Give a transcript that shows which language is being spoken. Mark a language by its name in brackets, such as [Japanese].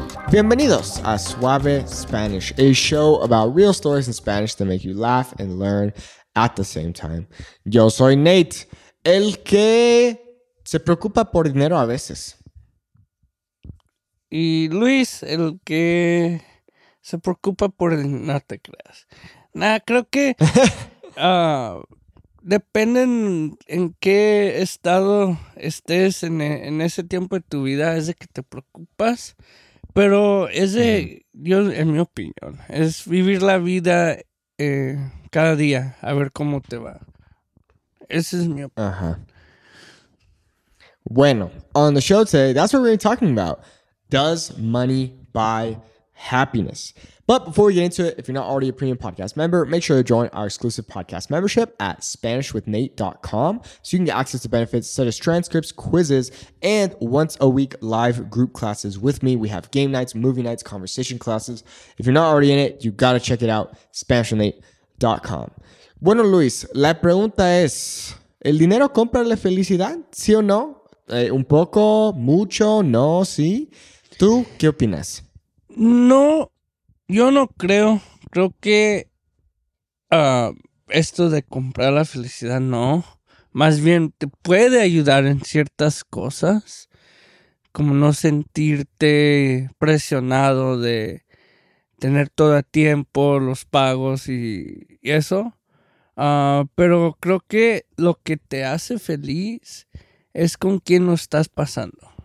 [English] Bienvenidos a Suave Spanish, a show about real stories in Spanish to make you laugh and learn at the same time. [Spanish] Yo soy Nate, el que se preocupa por dinero a veces. Y Luis, el que se preocupa por el dinero, no te creas. Nah, creo que depende en qué estado estés en ese tiempo de tu vida, es de que te preocupas. Pero ese, yo, en mi opinión, es vivir la vida cada día, a ver cómo te va. Esa es mi opinión. Ajá. [English] Bueno, on the show today, that's what we're talking about. Does money buy happiness? But before we get into it, if you're not already a premium podcast member, make sure to join our exclusive podcast membership at SpanishWithNate.com so you can get access to benefits such as transcripts, quizzes, and once a week live group classes with me. We have game nights, movie nights, conversation classes. If you're not already in it, you gotta check it out, SpanishWithNate.com. [Spanish] Bueno, Luis, la pregunta es, ¿el dinero compra la felicidad? ¿Sí o no? ¿Un poco? ¿Mucho? ¿No? ¿Sí? ¿Tú qué opinas? No. Yo no creo, creo que esto de comprar la felicidad no, más bien te puede ayudar en ciertas cosas, como no sentirte presionado de tener todo a tiempo, los pagos y eso, pero creo que lo que te hace feliz es con quién lo estás pasando.